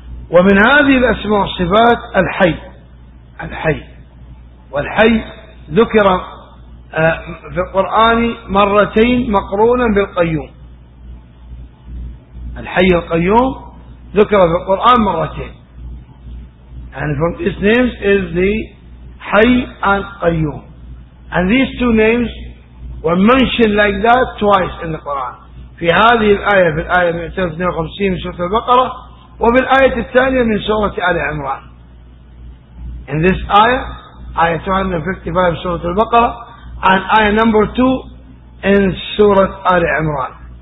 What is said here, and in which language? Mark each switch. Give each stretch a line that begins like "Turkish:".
Arabic: ومن هذه الأسماء والصفات الحي. الحي والحي ذكر في القرآن مرتين مقرونا بالقيوم. الحي القيوم ذكر في القرآن مرتين.
English: And from these names is the حي and قيوم. And these two names were mentioned like that twice in the Quran.
Arabic: في هذه الآية, في الآية 152 من سورة البقرة, وفي الآية الثانية من سورة آل عمران.
English: In this ayah, ayah 255 سورة البقرة, and ayah number 2 in سورة آل عمران.